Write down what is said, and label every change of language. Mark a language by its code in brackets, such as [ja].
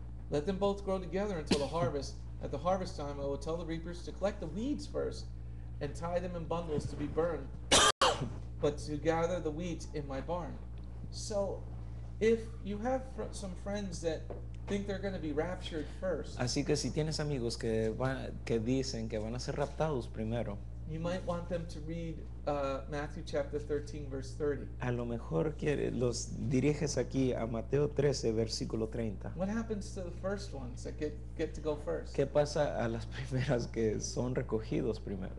[en] "Let them both grow together until the harvest. At the harvest time, I will tell the reapers to collect the weeds first and tie them in bundles to be burned, but to gather the weeds in my barn." So, if you have some friends that think they're going to be raptured first, [es] así que si tienes amigos que van, que dicen que van a ser raptados primero, [en] you might want them to read Matthew chapter 13, verse 30. [es] A lo mejor quiere, los diriges aquí a Mateo 13, versículo 30. [en] What happens to the first ones that get to go first? [es] ¿Qué pasa a las primeras que son recogidos primero?